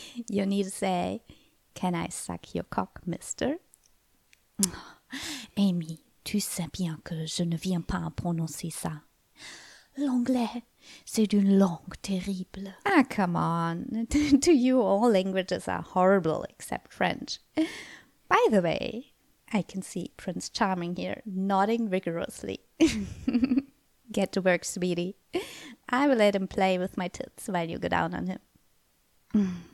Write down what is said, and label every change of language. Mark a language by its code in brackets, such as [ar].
[en] You need to say, can I suck your cock, mister? [fr] Amy, tu sais bien que je ne viens pas à prononcer ça. L'anglais, c'est une langue terrible. [en] Ah, come on. To you, all languages are horrible except French. By the way, I can see Prince Charming here nodding vigorously. Get to work, sweetie. I will let him play with my tits while you go down on him.